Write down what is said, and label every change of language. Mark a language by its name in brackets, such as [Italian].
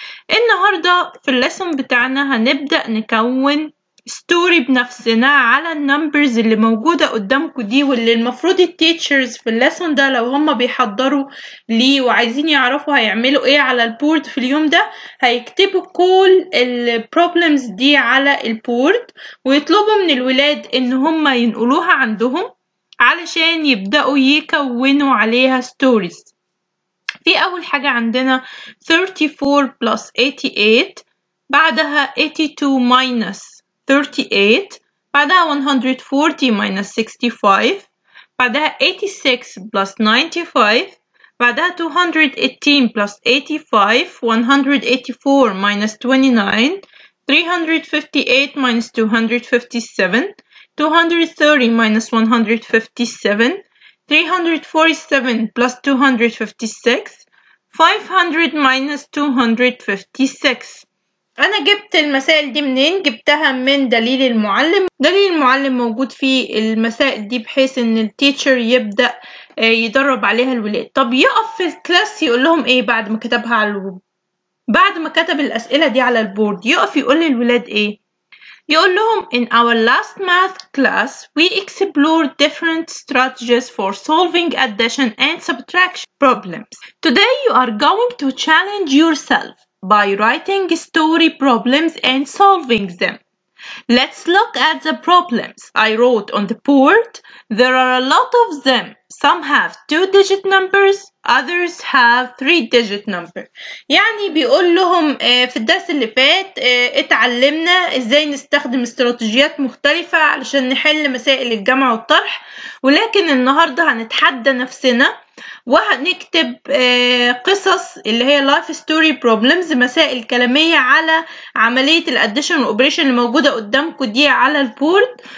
[Arabic] النهاردة في الليسون بتاعنا هنبدأ نكون ستوري بنفسنا على النمبرز اللي موجودة قدامكم دي، واللي المفروض التيتشرز في الليسون ده لو هم بيحضروا ليه وعايزين يعرفوا هيعملوا ايه على البورد في اليوم ده هيكتبوا كل البروبلمز دي على البورد ويطلبوا من الولاد ان هم ينقلوها عندهم علشان يبدأوا يكونوا عليها ستوريز. في اول حاجة عندنا 34 plus 88، بعدها 82 minus 38، بعدها 140 minus 65، بعدها 86 plus 95، بعدها 218 plus 85، 184 minus 29، 358 minus 257، 230 minus 157، 347 plus 256، 500 minus 256. انا جبت المسائل دي منين؟ جبتها من دليل المعلم. دليل المعلم موجود في المسائل دي بحيث ان التيتشر يبدا يدرب عليها الولاد. طب يقف في الكلاس يقول لهم ايه بعد ما كتبها على بعد ما كتب الاسئله دي على البورد؟ يقف يقول للولاد ايه؟ يقول لهم [English] in our last math class we explored different strategies for solving addition and subtraction problems. Today you are going to challenge yourself by writing story problems and solving them. Let's look at the problems I wrote on the board. There are a lot of them. Some have two-digit numbers, others have three-digit numbers. [Arabic] يعني بيقول لهم في الدرس اللي فات اتعلمنا ازاي نستخدم استراتيجيات مختلفة علشان نحل مسائل الجمع والطرح، ولكن النهاردة هنتحدى نفسنا وهنكتب قصص اللي هي [English] life story problems، [Arabic] مسائل كلامية على عملية ال [English] addition operation [Arabic] اللي موجودة قدامكم دي على البورد.